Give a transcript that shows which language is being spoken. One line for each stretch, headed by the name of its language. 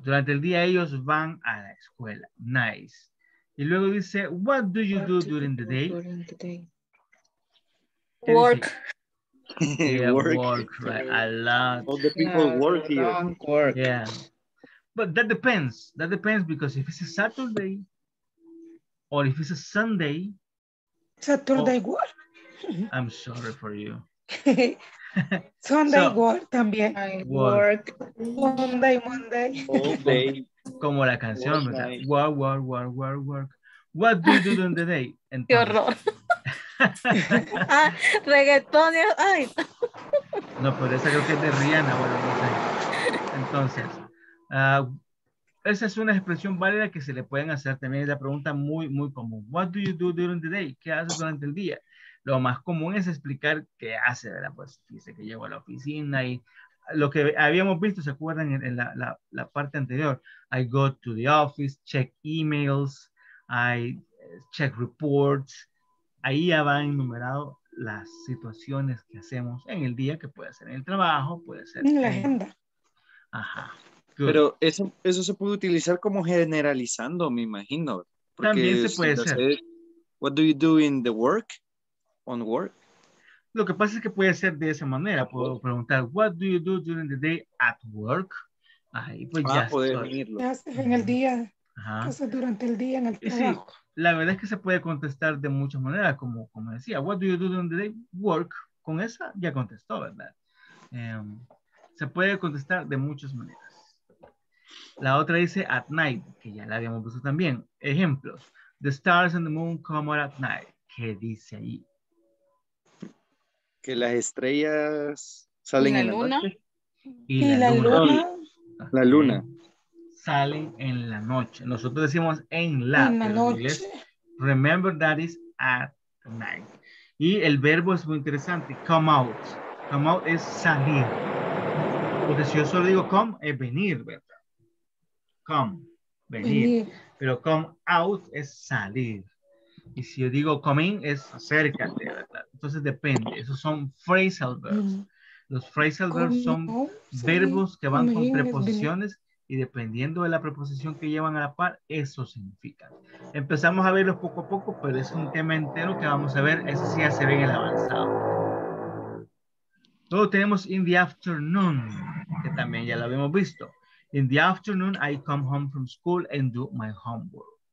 Spanish: Durante el día ellos van a la escuela.
English: Nice.
Spanish: Y luego dice,
English: what do you do during the day? Work. Yeah, work, right? A lot. All the people work here. Work. Yeah. But that depends. That depends because if it's a Saturday or if it's a Sunday. Saturday work. I'm sorry for you. Sunday work
Spanish: también.
English: Work. Monday, Monday. Okay.
Spanish: Como la canción, ¿verdad?
English: Work, work, work, work, work. What do you do during the day?
Spanish: Entonces, qué horror. Reggaetón. Ay. No, pero esa creo que es de Rihanna. Bueno, no sé. Entonces, esa es una expresión válida que se le pueden hacer también. Es la pregunta muy, muy común.
English: What do you do during the day?
Spanish: ¿Qué haces durante el día? Lo más común es explicar qué hace, ¿verdad? Pues dice que llego a la oficina y lo que habíamos visto, ¿se acuerdan? En la parte anterior.
English: I go to the office, check emails, I check reports.
Spanish: Ahí ya van enumerado las situaciones que hacemos en el día, que puede ser en el trabajo, puede ser en la agenda. Ajá.
English: Good.
Spanish: Pero eso se puede utilizar como generalizando, me imagino. También se puede hacer.
English: What do you do in the work? On work.
Spanish: Lo que pasa es que puede ser de esa manera.
English: Puedo preguntar, what do you do during the day at work?
Spanish: Ahí pues ya. Puede venirlo. En el día. Ajá. Cosas durante el día en el trabajo. Sí, la verdad es que se puede contestar de muchas maneras, como decía,
English: what do you do during the day? Work.
Spanish: Con esa ya contestó, ¿verdad? Se puede contestar de muchas maneras. La otra dice at night, que ya la habíamos visto también. Ejemplos.
English: The stars and the moon come out at night.
Spanish: ¿Qué dice ahí? Que las estrellas salen en la noche. ¿Y la luna? La luna. Salen en la noche. Nosotros decimos en la noche.
English: Remember that is at night.
Spanish: Y el verbo es muy interesante.
English: Come out. Come out
Spanish: es salir. Porque si yo solo digo come, es venir, ¿verdad? Come, venir. Pero
English: come out
Spanish: es salir. Y si yo digo coming es acércate, ¿verdad? Entonces depende. Esos son phrasal verbs. Los phrasal verbs son verbos que van con preposiciones y dependiendo de la preposición que llevan a la par, eso significa. Empezamos a verlos poco a poco, pero es un tema entero que vamos a ver. Eso sí ya se ve en el avanzado. Luego tenemos
English: in the afternoon,
Spanish: que también ya lo habíamos visto.
English: In the afternoon, I come home from school and do my homework.